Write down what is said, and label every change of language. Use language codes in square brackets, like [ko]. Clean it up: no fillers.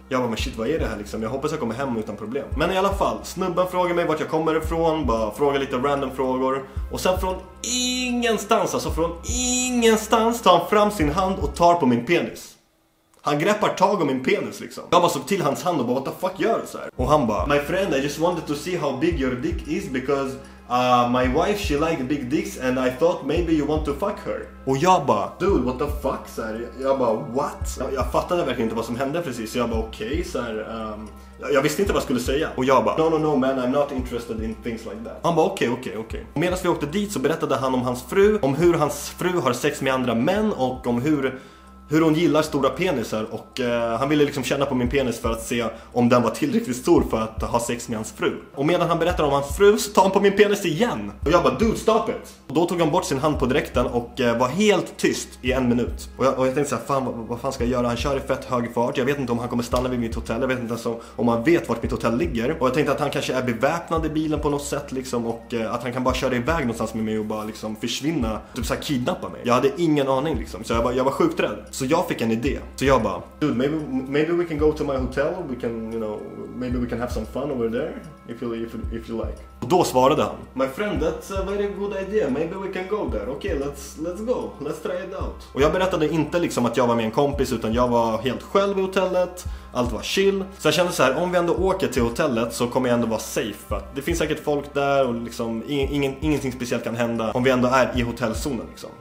[sv] Jag bara: men shit, vad är det här liksom? Jag hoppas jag kommer hem utan problem. Men i alla fall, snubben frågar mig vart jag kommer ifrån, bara frågar lite random frågor. Och sen från ingenstans, alltså från ingenstans, tar han fram sin hand och tar på min penis. Han greppar tag om min penis liksom. Jag bara såg till hans hand och bara: [en] what the fuck [sv] gör du så här? Och han bara: [en] my friend, I just wanted to see how big your dick is because my wife, she liked big dicks and I thought maybe you want to fuck her. [sv] Och jag bara: [en] dude, what the fuck? [sv] Så här, jag bara: what? Jag fattade verkligen inte vad som hände precis. Så jag bara: okej, så här, jag visste inte vad jag skulle säga. Och jag bara: [en] no man, I'm not interested in things like that. [sv] Han bara: okej. Och medan vi åkte dit så berättade han om hans fru, om hur hans fru har sex med andra män och om hur hon gillar stora penisar. Och han ville liksom känna på min penis för att se om den var tillräckligt stor för att ha sex med hans fru. Och medan han berättar om hans fru så tar han på min penis igen. Och jag bara: [en] dude, stop it. [sv] Och då tog han bort sin hand på dräkten och var helt tyst i en minut. Och jag tänkte såhär: fan, vad fan ska jag göra? Han kör i fett hög fart. Jag vet inte om han kommer stanna vid mitt hotell. Jag vet inte ens om han vet vart mitt hotell ligger. Och jag tänkte att han kanske är beväpnad i bilen på något sätt liksom. Och att han kan bara köra iväg någonstans med mig och bara liksom försvinna. Typ såhär kidnappa mig. Jag hade ingen aning liksom. Så jag var sjukt rädd. Så jag fick en idé. Så jag bara: [en] dude, maybe we can go to my hotel. We can, you know, maybe we can have some fun over there if you like. [sv] Och då svarade han: [en] my friend, that's a very good idea. Maybe we can go there. Okay, let's go. Let's try it out. [sv] Och jag berättade inte liksom att jag var med en kompis, utan jag var helt själv i hotellet. Allt var chill. Så jag kände så här: om vi ändå åker till hotellet så kommer jag ändå vara safe, för att det finns säkert folk där och liksom ingenting speciellt kan hända om vi ändå är i hotellzonen liksom.